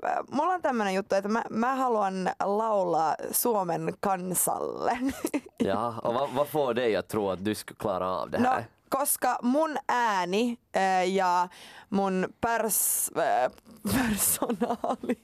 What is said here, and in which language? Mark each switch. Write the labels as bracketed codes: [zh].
[fi] Mulla on tämmönen juttu, että mä haluan laulaa Suomen kansalle. [sv] Ja, vad får dig att tro att du ska klara av det här? No. [fi] Koska mun ääni ja mun personaal.